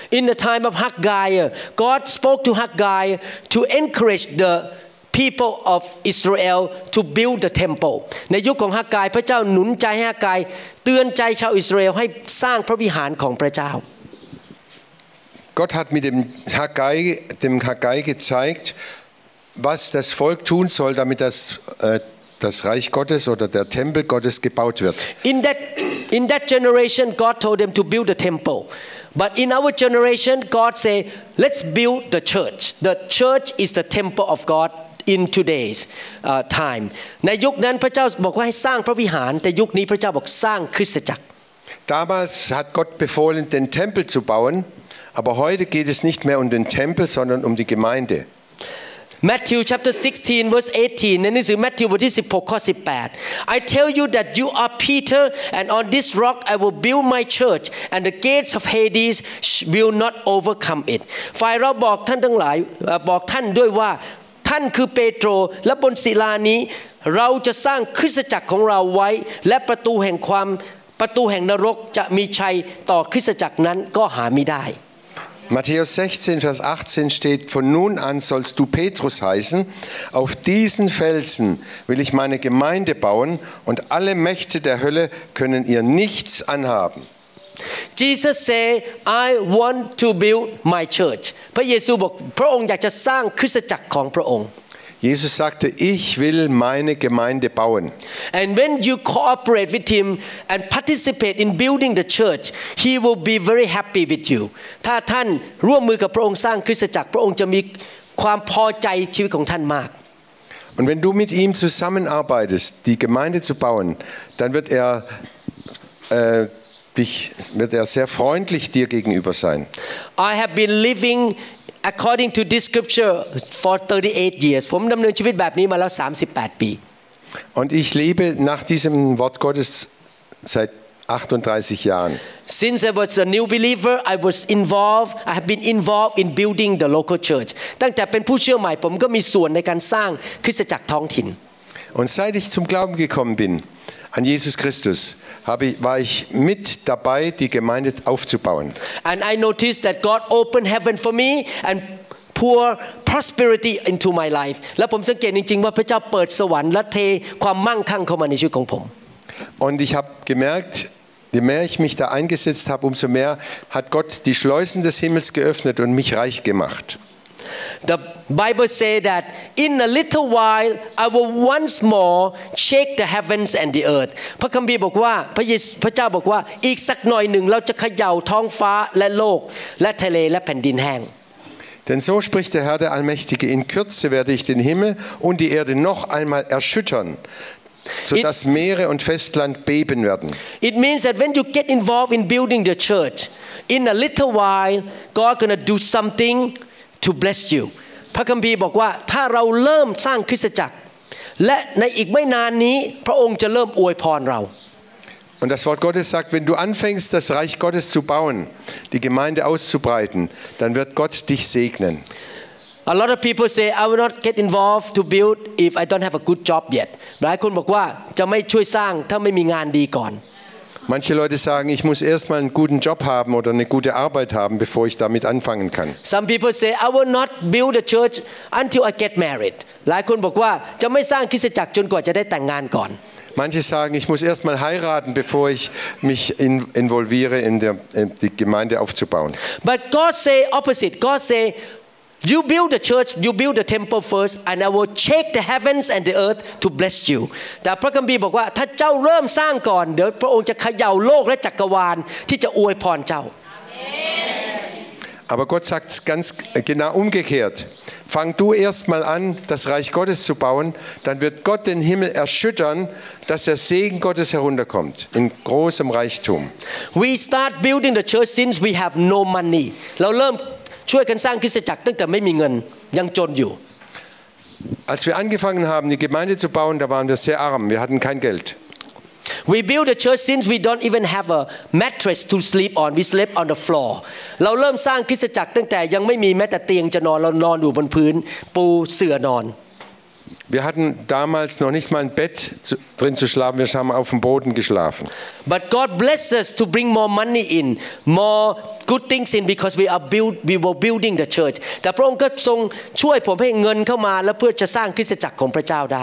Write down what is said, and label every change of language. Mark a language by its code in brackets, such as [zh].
[en] In the time of Haggai, God spoke to Haggai to encourage the people of Israel to build the temple. [th] ในยุคของฮากายพระเจ้าหนุนใจให้ฮากายเตือนใจชาวอิสราเอลให้สร้างพระวิหารของพระเจ้า [de] Gott hat mit dem Haggai gezeigt, was das Volk tun soll, damit das Reich Gottes oder der Tempel Gottes gebaut wird. [en] In that generation God told them to build the temple. But in our generation, God say, "Let's build the church." The church is the temple of God in today's time. [th] ในยุคนั้นพระเจ้าบอกว่าให้สร้างพระวิหารแต่ยุคนี้พระเจ้าบอกสร้างคริสตจักร [de] Damals hat Gott befohlen, den Tempel zu bauen, aber heute geht es nicht mehr um den Tempel, sondern um die Gemeinde. [en] Matthew chapter 16 verse 18. [th] ในหนังสือมัทธิวบทที่16ข้อ18 [en] I tell you that you are Peter, and on this rock I will build my church, and the gates of Hades will not overcome it. [th] ฝ่ายเราบอกท่านทั้งหลายบอกท่านด้วยว่าท่านคือเปโตรและบนศิลานี้เราจะสร้างคริสตจักรของเราไว้และประตูแห่งนรกจะมีชัยต่อคริสตจักรนั้นก็หาไม่ได้ [de] Matthäus 16, Vers 18 steht, von nun an sollst du Petrus heißen, auf diesen Felsen will ich meine Gemeinde bauen und alle Mächte der Hölle können ihr nichts anhaben. [en] Jesus said, I want to build my church. [de] Jesus sagte, ich will meine Gemeinde bauen. [en] And when you cooperate with him and participate in building the church, he will be very happy with you. [th] ถ้าท่านร่วมมือกับพระองค์สร้างคริสตจักรพระองค์จะมีความพอใจชีวิตของท่านมาก [de] Und wenn du mit ihm zusammenarbeitest, die Gemeinde zu bauen, dann wird er sehr freundlich dir gegenüber sein. [en] I have been livingAccording to this scripture for 38 years [th] ผมดำเนินชีวิตแบบนี้มาแล้ว38ปี [de] Und ich lebe nach diesem Wort Gottes seit 38 Jahren [en] Since I was a new believer I have been involved in building the local church [th] ตั้งแต่เป็นผู้เชื่อใหม่ผมก็มีส่วนในการสร้างคริสตจักรท้องถิ่น [de] Und seit ich zum Glauben gekommen bin an Jesus Christus war ich mit dabei die Gemeinde aufzubauen [en] and I noticed that God opened heaven for me and pour prosperity into my life [th] และผมสังเกตจริงๆว่าพระเจ้าเปิดสวรรค์และเทความมั่งคั่งเข้ามาในชีวิตของผม [de] und ich habe gemerkt je mehr ich mich da eingesetzt habe umso mehr hat Gott die Schleusen des Himmels geöffnet und mich reich gemacht [en] the bible say that in a little while I will once more shake the heavens and the earth [th] พระคัมภีร์บอกว่าพระเจ้าบอกว่าอีกสักหน่อยหนึ่งเราจะเขย่าท้องฟ้าและโลกและทะเลและแผ่นดินแห้ง [de] Denn so spricht der Herr der Allmächtige in Kürze werde ich den Himmel und die Erde noch einmal erschüttern sodass Meere und Festland beben werden [en] It means that when you get involved in building the church in a little while God going to do somethingTo bless you, [th] พระคัมภีร์บอกว่าถ้าเราเริ่มสร้างคริสตจักรและในอีกไม่นานนี้พระองค์จะเริ่มอวยพรเรา [de] Und das Wort Gottes sagt, wenn du anfängst, das Reich Gottes zu bauen, die Gemeinde auszubreiten, dann wird Gott dich segnen. [en] A lot of people say, I will not get involved to build if I don't have a good job yet. [th] หลายคนบอกว่าจะไม่ช่วยสร้างถ้าไม่มีงานดีก่อน [de] Manche Leute sagen, ich muss erst mal einen guten Job haben oder eine gute Arbeit haben, bevor ich damit anfangen kann. [en] Some people say, I will not build a church until I get married. [de] Manche Leute sagen, ich muss erst mal einen guten Job haben oder eine gute Arbeit haben, bevor ich damit anfangen kann. Manche sagen, ich muss erst mal heiraten, bevor ich mich involviere in die Gemeinde aufzubauen. [en] But God say opposite. God say, you build the church, you build the temple first, and I will check the heavens and the earth to bless you. [th] แต่พระคัมภีร์บอกว่าถ้าเจ้าเริ่มสร้างก่อนเดี๋ยวพระองค์จะเขย่าโลกและจักรวาลที่จะอวยพรเจ้า [de] Aber Gott sagt ganz genau umgekehrt. Fang du erst mal an, das Reich Gottes zu bauen, dann wird Gott den Himmel erschüttern, dass der Segen Gottes herunterkommt in großem Reichtum. [en] We start building the church since we have no money. [th] เราเริ่มช่วยกันสร้างคริสตจักรตั้งแต่ไม่มีเงินยังจนอยู่ [de] Als wir angefangen haben, die Gemeinde zu bauen, da waren wir sehr arm. Wir hatten kein Geld. [en] We build the church since we don't even have a mattress to sleep on. We sleep on the floor. [th] เราเริ่มสร้างคริสตจักรตั้งแต่ยังไม่มีแม้แต่เตียงจะนอนเรานอนอยู่บนพื้นปูเสื่อนอน [de] Wir hatten damals noch nicht mal ein Bett drin zu schlafen. Wir haben auf dem Boden geschlafen. [en] But God bless us to bring more money in, more. Good things in because we were building the church. [th] แต่พระองค์ก็ทรงช่วยผมให้เงินเข้ามาแล้วเพื่อจะสร้างคริสตจักรของพระเจ้าได